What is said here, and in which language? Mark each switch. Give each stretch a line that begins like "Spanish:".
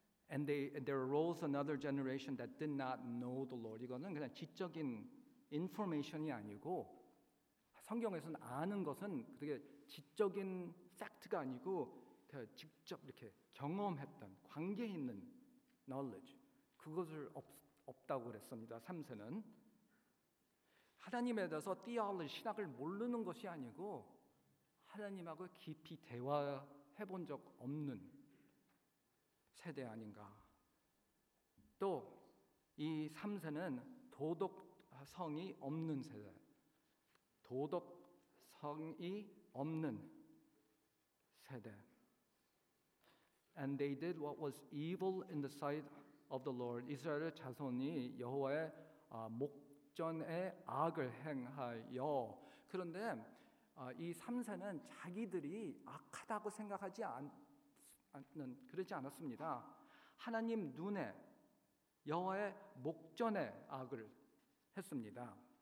English: 'And there arose another generation that did not know the Lord.'
Korean: 이거는 그냥 지적인 information이 아니고 성경에서는 아는 것은 그게 지적인 fact가 아니고. 직접 이렇게 경험했던 관계 있는 knowledge 그것을 없다고 그랬습니다 3세는 하나님에 대해서 theology 신학을 모르는 것이 아니고 하나님하고 깊이 대화해 본 적 없는 세대 아닌가 또 이 3세는 도덕성이 없는 세대 도덕성이 없는 세대.
English: And they did what was evil in the sight of the Lord.
Korean: 이스라엘 자손이 여호와의 목전에 악을 행하여. 그런데 이 3세는 자기들이 악하다고 생각하지 그러지 않았습니다. 하나님 눈에 여호와의 목전에 악을 했습니다.